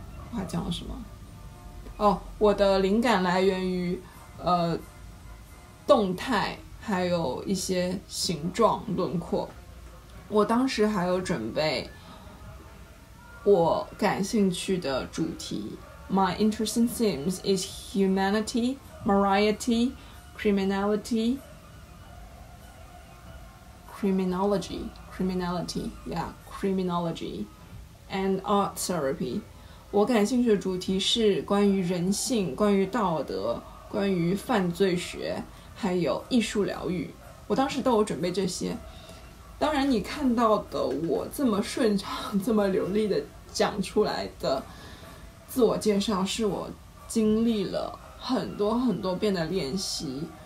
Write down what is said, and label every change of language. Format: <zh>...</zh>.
<zh>话讲了什么？我的灵感来源于动态，还有一些形状轮廓。我当时还有准备我感兴趣的主题。</zh> <en>My interesting themes is humanity, morality, criminology and art therapy。</en> <zh>我感兴趣的主题是关于人性、关于道德、关于犯罪学，还有艺术疗愈。我当时都有准备这些。当然你看到的我这么顺畅、这么流利的讲出来的自我介绍，是我经历了很多很多遍的练习，</zh>